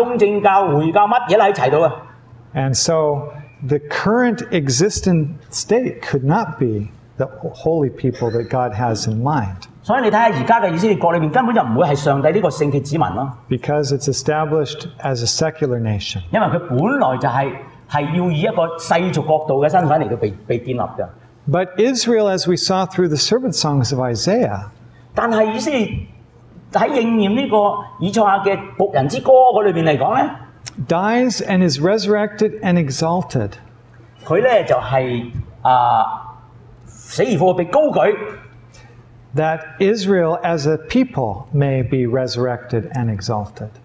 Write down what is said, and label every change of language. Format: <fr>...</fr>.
<zh>猶太教、基督教、天主教、东正教、回教,</zh> <en>and so, the current existing state could not be the holy people that God has in mind.</en> <zh>所以你看看现在的以色列国里面根本就不会是上帝这个圣洁子民。</zh> <en>Because it's established as a secular nation.</en> <zh>因为它本来就是要以一个世俗国度的身份来被建立的。</zh> <en>But Israel, as we saw through the servant songs of Isaiah,</en> <zh>但是以色列在应验这个以赛亚的仆人之歌里面来讲呢,</zh> <en>dies and is resurrected and exalted.</en> <zh>它呢就是死而复活被高举。</zh> <en>that Israel as a people may be resurrected and exalted.</en>